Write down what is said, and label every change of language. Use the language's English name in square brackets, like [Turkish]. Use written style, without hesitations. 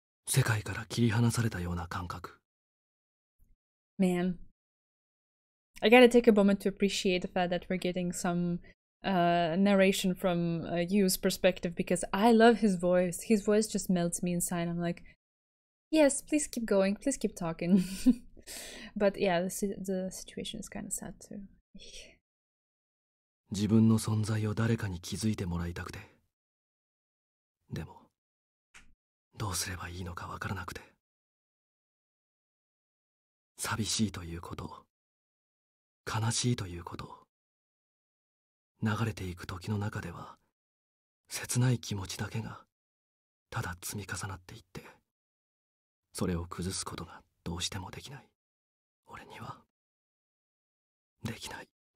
[Japanese] 世界から切り離されたような感覚。 [English] Man, I gotta take a moment to appreciate the fact that we're getting some narration from Yu's perspective because I love his voice. His voice just melts me inside. I'm like, yes, please keep going, please keep talking. But yeah, the situation is kind of sad too. [Japanese] 自分の存在を誰かに気づいてもらいたくて。でも。どうすればいいのかわからなくて寂しいということ悲しいということ流れていく時の中では切ない気持ちだけがただ積み重なっていってそれを崩すことがどうしてもできない俺にはできない